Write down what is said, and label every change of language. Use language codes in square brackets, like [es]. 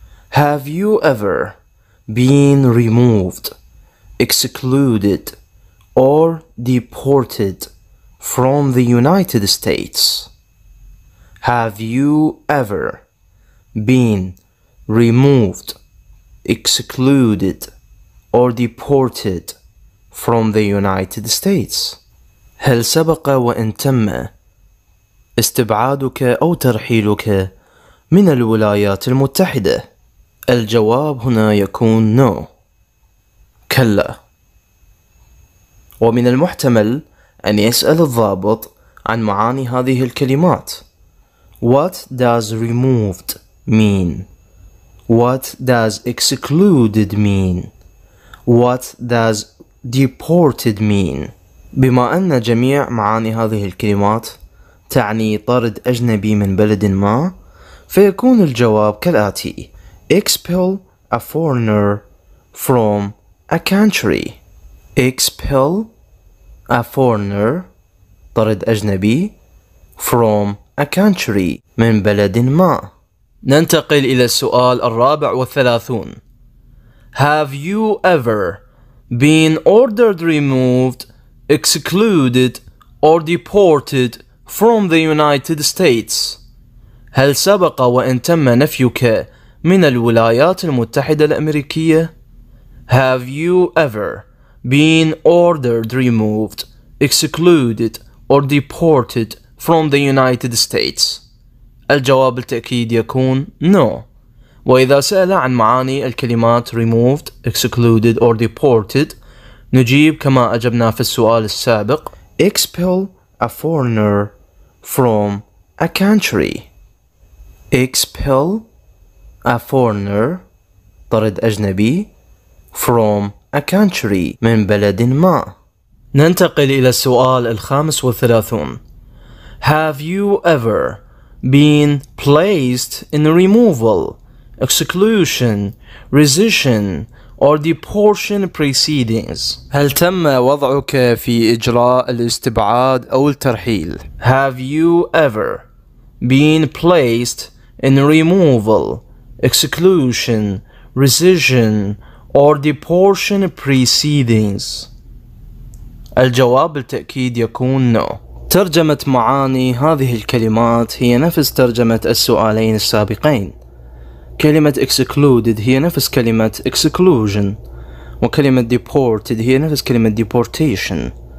[en] Have you ever been removed, excluded, or deported from the United States? Have you ever been removed, excluded, or deported from the United States? [ar] هل سبق وإن تم استبعادك أو ترحيلك من الولايات المتحدة؟ الجواب هنا يكون no. كلا. ومن المحتمل أن يسأل الضابط عن معاني هذه الكلمات. [en] What does removed mean? What does excluded mean? What does deported mean? [ar] بما أن جميع معاني هذه الكلمات تعني طرد أجنبي من بلد ما، فيكون الجواب كالآتي: [en] expel a foreigner from a country. Expel a foreigner, [ar] طرد أجنبي, [en] from a country, [ar] من بلد ما. ننتقل إلى السؤال الرابع والثلاثون. [en] Have you ever been ordered removed, excluded, or deported from the United States? [ar] هل سبق وإن تم نفيك من الولايات المتحدة الأمريكية؟ [en] Have you ever been ordered removed, excluded, or deported from the United States? [ar] الجواب بالتأكيد يكون no. وإذا سأل عن معاني الكلمات [en] removed, excluded, or deported, [ar] نجيب كما أجبنا في السؤال السابق. [en] Expel a foreigner from a country. Expel a foreigner, [ar] طرد أجنبي, [en] from a country, [ar] من بلد ما. ننتقل إلى السؤال الخامس والثلاثون. [en] Have you ever been placed in removal, exclusion, rescission, or deportation proceedings? [ar] هل تم وضعك في إجراء الاستبعاد أو الترحيل؟ [en] Have you ever been placed in removal, exclusion, rescission, or deportation proceedings? [ar] الجواب بالتأكيد يكون no. ترجمة معاني هذه الكلمات هي نفس ترجمة السؤالين السابقين. كلمة excluded هي نفس كلمة exclusion، وكلمة deported هي نفس كلمة deportation.